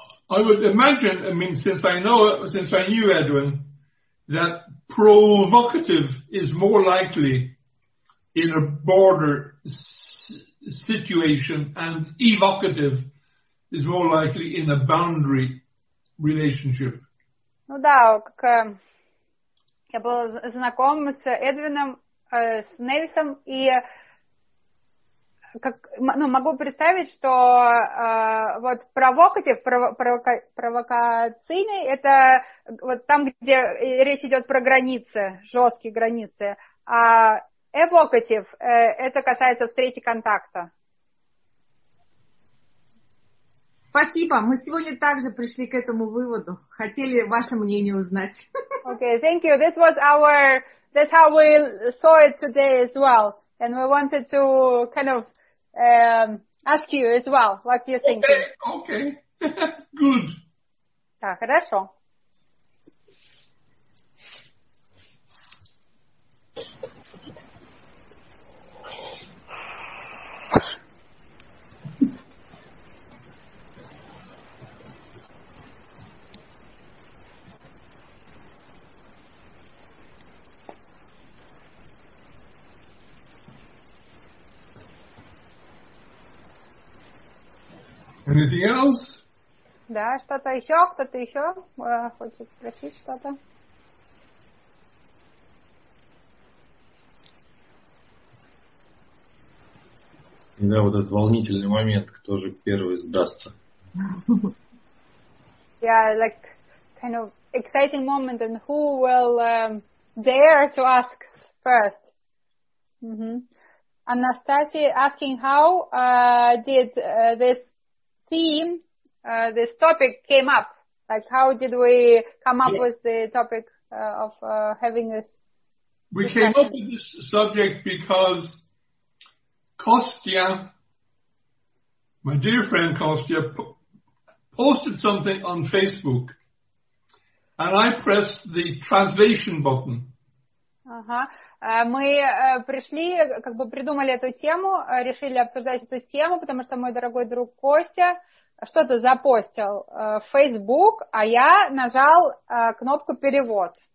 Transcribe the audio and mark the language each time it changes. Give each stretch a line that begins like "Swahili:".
English: I would imagine, I mean, since I knew Edwin, that provocative is more likely in a border situation, and evocative is more likely in a boundary relationship.
Russian: Ну да, как я был знаком с Эдвином, с Нельсом, и как, ну, могу представить, что вот provocative, провокационный, это вот там, где речь идет про границы, жесткие границы, а evocative, это касается встречи контакта. Спасибо, мы сегодня также пришли к этому выводу, хотели ваше мнение узнать.
English: Okay, thank you. This was our, that's how we saw it today as well, and we wanted to kind of ask you as well, what you think. Okay, okay, good.
Russian: Да, хорошо.
English: Anything else?
Russian: Да, что-то еще, кто-то еще хочет спросить что-то. Да, вот этот волнительный момент, кто же первый сдастся.
English: Yeah, like kind of exciting moment, and who will dare to ask first? Анастасия asking how did this theme, this topic came up? Like, how did we come up with the topic of having this discussion? We came up with this subject because Kostya, my dear friend Kostya, posted something on Facebook, and I pressed the translation button.
Russian: Мы пришли, как бы придумали эту тему, решили обсуждать эту тему, потому что мой дорогой друг Костя что-то запостил в Facebook, а я нажал кнопку перевод.